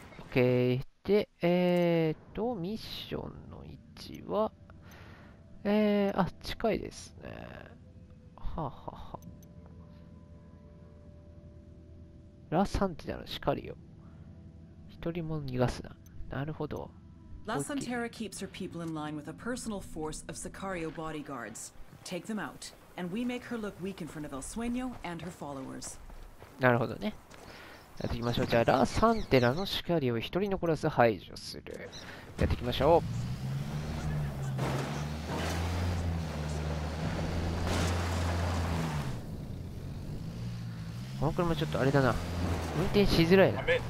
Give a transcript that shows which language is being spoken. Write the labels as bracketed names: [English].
[Japanese] OK で、ミッションの位置は近いですね。はあ、ははあ、ラサンティナの叱りよ。一人も逃がすな。なるほど。 [English] ラサンティナ keeps her people in line with a personal force of Sicario bodyguards. Take them out, and we make her look weak in front of El Sueño and her followers. [Japanese] なるほどね。やっていきましょう。じゃあラサンティナの叱りを一人残らず排除する。やっていきましょう。この車ちょっとあれだな、運転しづらいな。